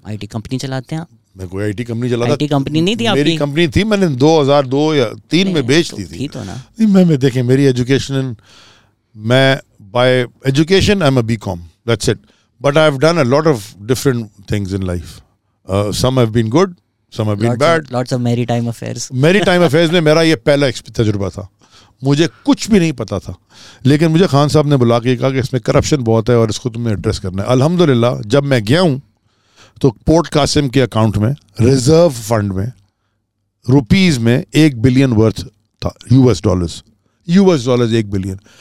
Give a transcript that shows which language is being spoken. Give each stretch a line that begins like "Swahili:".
Urdu: I T company چلاتے ہیں آپ؟ میں کوئی آئی ٹی کمپنی چلاتا, آئی ٹی کمپنی نہیں تھی. میری کمپنی تھی, میں نے 2002 یا 2003 میں بیچ دی تھی تو نا. میں دیکھیں میری ایجوکیشن, میں
English: By education I am a B com, that's it. But I have done a lot of different things in life. Some have been good, some have been bad. Lots of maritime affairs.
Urdu: Maritime affairs میں میرا یہ پہلا تجربہ تھا, مجھے کچھ بھی نہیں پتا تھا, لیکن مجھے خان صاحب نے بلا کے کہا کہ اس میں کرپشن بہت ہے اور اس کو تم نے ایڈریس کرنا ہے. الحمد للہ جب میں گیا ہوں تو پورٹ قاسم کے اکاؤنٹ میں ریزرو فنڈ میں روپیز میں 1 بلین ورتھ تھا, US ڈالرز 1 بلین.